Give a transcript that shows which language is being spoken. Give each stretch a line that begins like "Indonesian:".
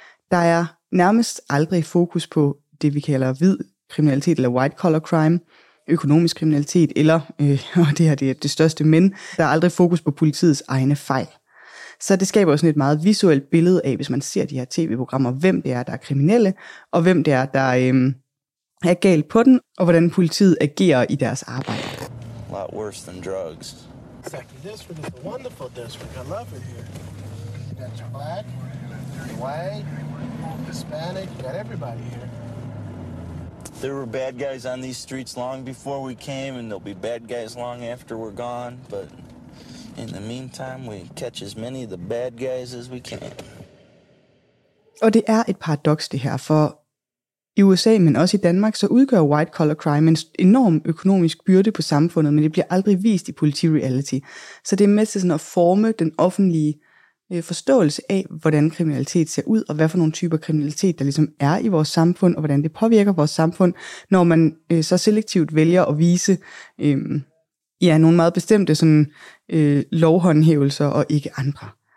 Danish: Der er nærmest aldrig fokus på det, vi kalder hvid kriminalitet eller white collar crime, økonomisk kriminalitet eller, og det her det er det største men, der er aldrig fokus på politiets egne fejl. Så det skaber også et meget visuelt billede af, hvis man ser de her tv-programmer, hvem det er, der er kriminelle, og hvem det er, der er galt på den, og hvordan politiet agerer i deres arbejde.
English: A lot worse than drugs. Exactly. This one is a wonderful district. I love it here. You got your black, white, Hispanic, you got everybody here. There were bad guys on these streets long before we came, and there'll be bad guys long after we're gone, but in the meantime, we catch as many of the bad guys as we can.
Danish: Og det er et paradoks det her, for i USA, men også i Danmark, så udgør white collar crime en enorm økonomisk byrde på samfundet, men det bliver aldrig vist i politireality. Så det er med til sådan at forme den offentlige forståelse af, hvordan kriminalitet ser ud, og hvad for nogle typer kriminalitet, der ligesom er i vores samfund, og hvordan det påvirker vores samfund, når man så selektivt vælger at vise ja, nogle meget bestemte sådan, lovhåndhævelser og ikke andre.